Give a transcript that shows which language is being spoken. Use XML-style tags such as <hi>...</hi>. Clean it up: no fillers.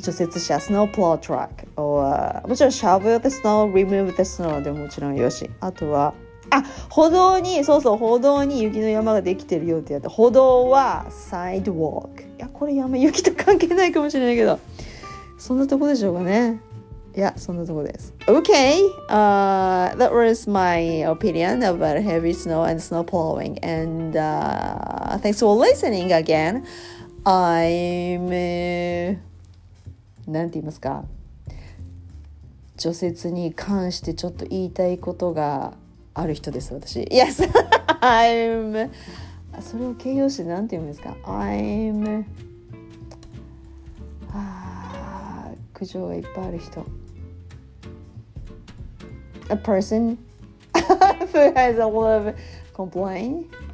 <ja>除雪車、スノープロートラック、or, もちろん、シャブルでスノー、リムーブでスノーでもちろんよし。あとは、あ、歩道に、そうそう、歩道に雪の山ができてるよってやった。歩道は、サイドウォーク。いや、これ山、雪と関係ないかもしれないけど。そんなとこでしょうかね。いや、そんなとこです。</ja> <en>Okay!、that was my opinion about heavy snow and snow plowing. And、thanks for listening again.</en> <ja>I'm...、なんて言いますか? 除雪に関してちょっと言いたいことがある人です、私。</ja> <en>Yes! I'm...</en> <ja>それを形容詞なんて言うんですか ?I'm... あ、苦情がいっぱいある人。</ja> <en>A person who has a lot of complaint.</en>